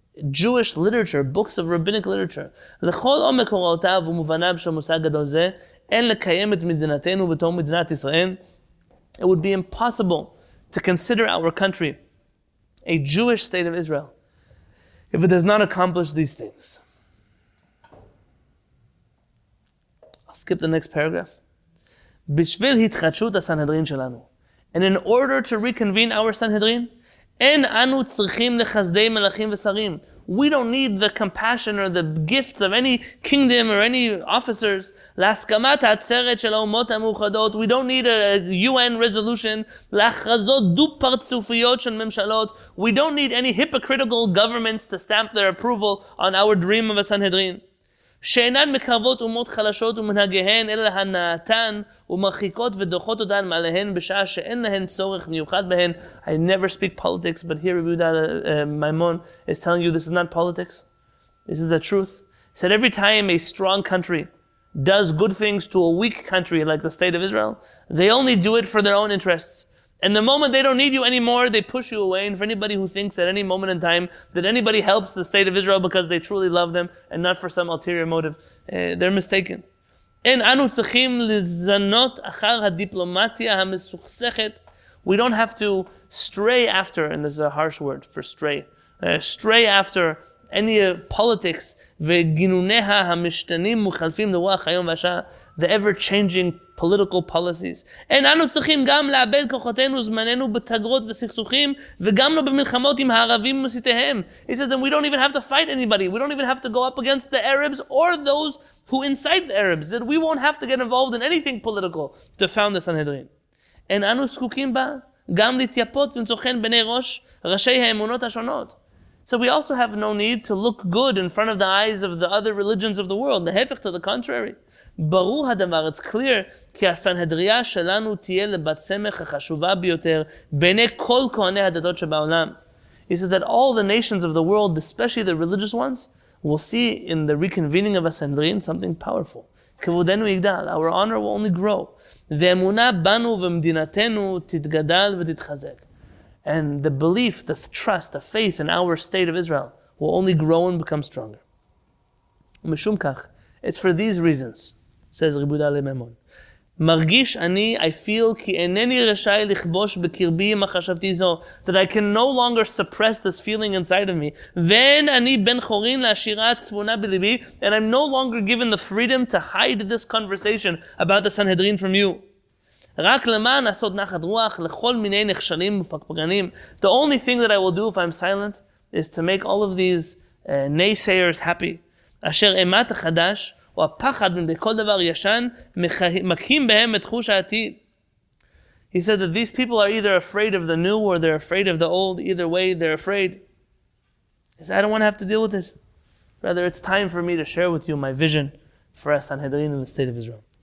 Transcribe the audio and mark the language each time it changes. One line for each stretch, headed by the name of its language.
English: Jewish literature, books of rabbinic literature,
Hebrew: לכל עומק הוראותיו ומובניו של מושג גדול זה, אין לקיים את מדינתנו בתור מדינת ישראל,
English: it would be impossible to consider our country a Jewish state of Israel if it does not accomplish these things. I'll skip the next paragraph.
Hebrew: בשביל התחדשות הסנהדרין שלנו,
English: and in order to reconvene our Sanhedrin,
Hebrew: אין אנו צריכים לחסדי מלאכים ושרים.
English: We don't need the compassion or the gifts of any kingdom or any officers.
Hebrew: להסכמת העצרת של האומות המאוחדות.
English: We don't need a UN resolution.
Hebrew: להכרזות דו-פרצופיות של ממשלות.
English: We don't need any hypocritical governments to stamp their approval on our dream of a Sanhedrin.
Hebrew: שאינן מקרבות אומות חלשות ומנהגיהן אלא הנעתן ומרחיקות ודוחות אותן מעליהן בשעה שאין להן צורך מיוחד בהן.
English: I never speak politics, but here Rabbi Yehuda Maimon is telling you this is not politics. This is the truth. He said every time a strong country does good things to a weak country like the state of Israel, they only do it for their own interests. And the moment they don't need you anymore, they push you away. And for anybody who thinks at any moment in time that anybody helps the state of Israel because they truly love them and not for some ulterior motive, they're mistaken.
Hebrew: אין אנו צריכים לזנות אחר הדיפלומטיה המסוכסכת.
English: We don't have to stray after, and this is a harsh word for stray, stray after any politics
Hebrew: וגינוניה המשתנים מוחלפים לרוח היום והשעה,
English: the ever-changing political policies.
Hebrew: אין אנו צריכים גם לאבד כוחותינו זמננו בתגרות וסכסוכים וגם לא במלחמות עם הערבים ומסיתיהם.
English: He says that we don't even have to fight anybody. We don't even have to go up against the Arabs or those who incite the Arabs. That we won't have to get involved in anything political to found the Sanhedrin.
Hebrew: אין אנו זקוקים בה גם להתייפות ונצוחן בני ראש ראשי האמונות השונות.
English: So we also have no need to look good in front of the eyes of the other religions of the world.
Hebrew: להפך,
English: to the contrary.
Hebrew: ברור הדבר,
English: it's clear,
Hebrew: כי הסנהדריה שלנו תהיה לבת סמך החשובה ביותר בעיני כל כהני הדתות שבעולם.
English: He said that all the nations of the world, especially the religious ones, will see in the reconvening of הסנהדרין something powerful.
Hebrew: כבודנו יגדל,
English: our honor will only grow.
Hebrew: ואמונה בנו ומדינתנו תתגדל ותתחזק.
English: And the belief, the trust, the faith in our state of Israel will only grow and become stronger.
Hebrew: ומשום כך,
English: it's for these reasons, says Rabbi Yehuda Maimon.
Hebrew: מרגיש אני,
English: I feel,
Hebrew: כי אינני רשאי לכבוש בקרבי מחשבתי זו,
English: that I can no longer suppress this feeling inside of me,
Hebrew: ואין אני בן חורין להשאירה צפונה בליבי,
English: and I'm no longer given the freedom to hide this conversation about the Sanhedrin from you.
Hebrew: רק למען לעשות נחת רוח לכל מיני נכשלים ופקפקנים.
English: The only thing that I will do if I'm silent is to make all of these naysayers happy.
Hebrew: אשר אימת החדש או הפחד מכל דבר ישן מקים בהם את חוש העתיד.
English: He said that these people are either afraid of the new or they're afraid of the old. Either way, they're afraid. He said, I don't want to have to deal with it. Rather, it's time for me to share with you my vision for a Sanhedrin in the state of Israel.